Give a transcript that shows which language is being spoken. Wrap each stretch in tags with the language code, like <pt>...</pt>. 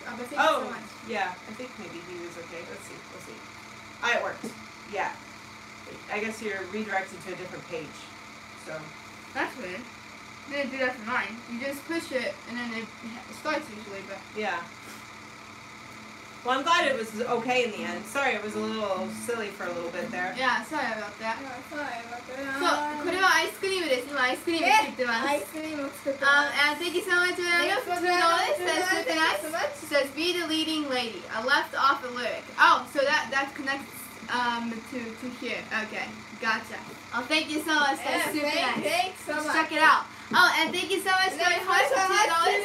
<en>Oh, thank you so much. Yeah, I think maybe he was okay. Let's see. It worked. Yeah. I guess you're redirected to a different page. So. That's weird. Didn't do that for mine. You just push it and then it starts usually, but. Yeah. Well, I'm glad it was okay in the end. Sorry, it was a little silly for a little bit there. Yeah, sorry about that.</en> <ja>So, これはアイスクリームです。今アイスクリーム作ってます。アイスクリームを作ってます。</ja> <en>And thank you so much, Mariana, for doing all this. Thank you so much. She says, be the leading lady. I left off a lyric. Oh, so that connects to here. Okay, gotcha. Oh, thank you so much. That's super nice. Thanks so much. Check it out. Oh, and thank you so much for your heart for doing all this.</en>